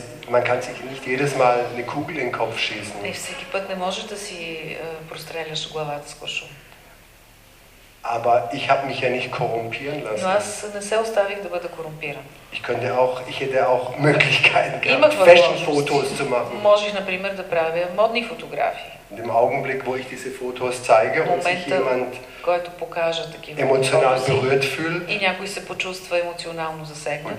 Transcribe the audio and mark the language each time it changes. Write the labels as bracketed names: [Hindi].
[German] Man kann sich nicht jedes Mal eine Kugel in den Kopf schießen. [Bulgarian] Не всеки път не можеш да си простреляш главата с кошум. [German] Aber ich habe mich ja nicht korrumpieren lassen. [Bulgarian] Но аз не се оставих да бъда корумпиран. [German] Ich hätte auch Möglichkeiten gehabt, Fashion-Fotos zu machen. [Bulgarian] Можех, например, да правя модни фотографии. [German] In dem Augenblick, wo ich diese Fotos zeige und sich jemand emotional berührt fühlt [Bulgarian] и някой се почувства емоционално засегнат